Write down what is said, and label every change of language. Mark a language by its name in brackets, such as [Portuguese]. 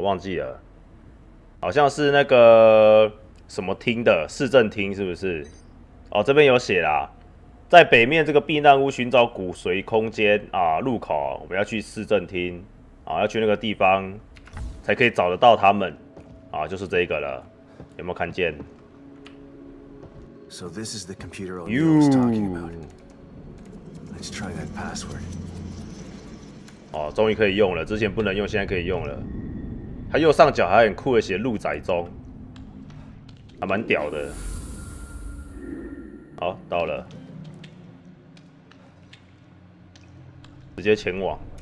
[Chinese] 忘记了，好像是那个什么厅的市政厅，是不是？哦，这边有写啦，在北面这个避难屋寻找骨髓空间啊，入口，我们要去市政厅啊，要去那个地方才可以找得到他们啊，就是这个了，有没有看见？ [English] So this is the computer O'Neill was talking about. Let's try that password. [Chinese] 哦，终于可以用了，之前不能用，现在可以用了。它右上角还很酷的写"入宅中"，还蛮屌的。好，到了，直接前往。